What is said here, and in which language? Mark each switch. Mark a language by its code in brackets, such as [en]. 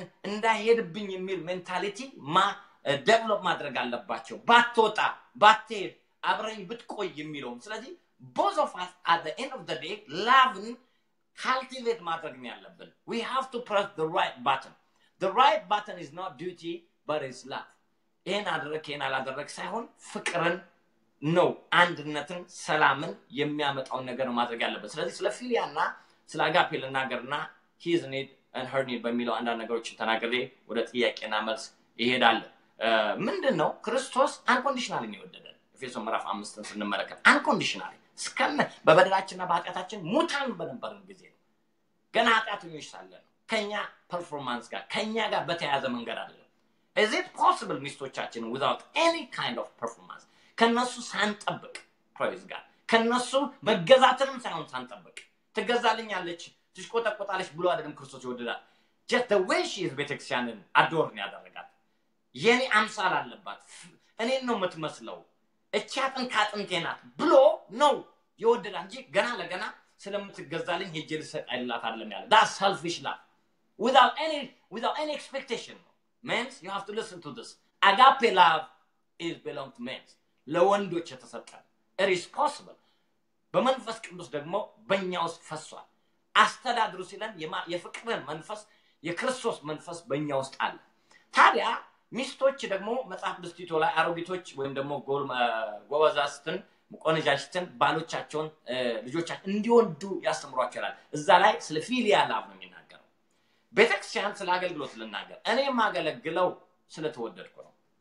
[am] እንዳይሄድብኝ የሚል ሜንታሊቲ ደቨሎፕ ማድረግ አለባቸው፣ ባትወጣ ባትሄድ አብረኝ ብትቆይ የሚለውም። ስለዚህ [en] ቦዝ ኦፍ አስ አት ዘ ኤንድ ኦፍ ዘ ዴይ [am] ላቭን cultivate ማድረግ ነው ያለብን። [en] We have to press the right button. The right button is not duty, but it's love. [am] ይህን አደረግ ይህን አላደረግ ሳይሆን ፍቅርን ነው አንድነትን ሰላምን የሚያመጣውን ነገር ነው ማድረግ ያለብን። ስለዚህ ስለ ፊሊያ እና ስለ አጋፔ ልናገር እና [en] his need and her need [am] በሚለው አንዳንድ ነገሮችን ተናግሬ ወደ ጥያቄና መልስ ይሄዳለን። ምንድን ነው ክርስቶስ አንኮንዲሽናል የወደደን? ኤፌሶን ምዕራፍ አምስትን ስንመለከት አንኮንዲሽናል ስከነ በበደላችንና በኃጢአታችን ሙታን በነበርን ጊዜ ነው። ገና ኃጢአተኞች ሳለን ነው። ከኛ ፐርፎርማንስ ጋር ከኛ ጋር በተያያዘ መንገድ አይደለም። [en] Is it possible [am] ሚስቶቻችን [en] without any kind of performance [am] ከነሱ ሳንጠብቅ ፕሮይስ ጋር ከነሱ መገዛትንም ሳይሆን ሳንጠብቅ ትገዛልኛለች ትሽቆጠቆጣለች ብሎ አይደለም ክርስቶስ ይወደዳል። [en] Just the way she is [am] ቤተክርስቲያንን አዶርን ያደረጋት የኔ አምሳል አለባት እኔን ነው የምትመስለው እቻትን ካጥንቴ ናት ብሎ ነው የወደዳ እንጂ ገና ለገና ስለምትገዛልኝ ሄጄ ልሰጥ አይደላት አይደለም ያለ። [en] That's selfish love. Without any expectation. Men, you have to listen to this. Agape love is belong to men. [am] ለወንዶች የተሰጠ [en] it is possible. [am] በመንፈስ ቅዱስ ደግሞ በእኛ ውስጥ ፈሷል። አስተዳድሩ ሲለን የፍቅርን መንፈስ የክርስቶስ መንፈስ በእኛ ውስጥ አለ። ታዲያ ሚስቶች ደግሞ መጽሐፍ ቅዱስ ቲቶ ላይ አሮጊቶች ወይም ደግሞ ጎበዛስትን ቆነጃጅትን ባሎቻቸውን ልጆቻቸው እንዲወዱ ያስተምሯቸዋል። እዛ ላይ ስለ ፊሊያ ላቭ ነው የሚናገረው። ቤተክርስቲያን ስለ አገልግሎት ልናገር፣ እኔ የማገለግለው ስለተወደድኩ ነው፣